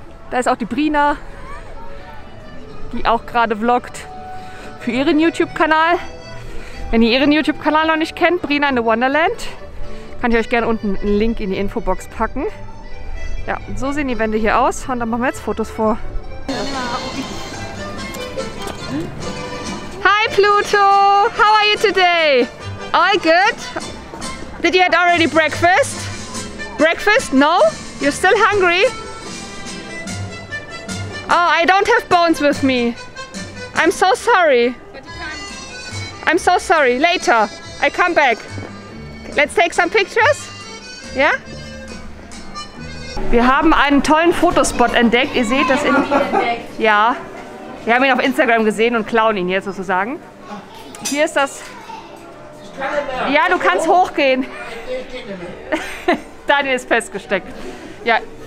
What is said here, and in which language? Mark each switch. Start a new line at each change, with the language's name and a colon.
German: Da ist auch die Brina, die auch gerade vloggt für ihren YouTube-Kanal. Wenn ihr ihren YouTube-Kanal noch nicht kennt, Brina in the Wonderland, kann ich euch gerne unten einen Link in die Infobox packen. Ja, so sehen die Wände hier aus und dann machen wir jetzt Fotos vor.
English: Hi Pluto, how are you today? All good? Did you had already breakfast? Breakfast? No? You're still hungry? Oh, I don't have bones with me. I'm so sorry. I'm so sorry. Later. I come back. Let's take some pictures. Ja? Yeah?
German: Wir haben einen tollen Fotospot entdeckt. Ihr seht das in... Ja. Wir haben ihn auf Instagram gesehen und klauen ihn jetzt sozusagen. Hier ist das... Ja, du kannst hochgehen. Daniel ist festgesteckt. Ja.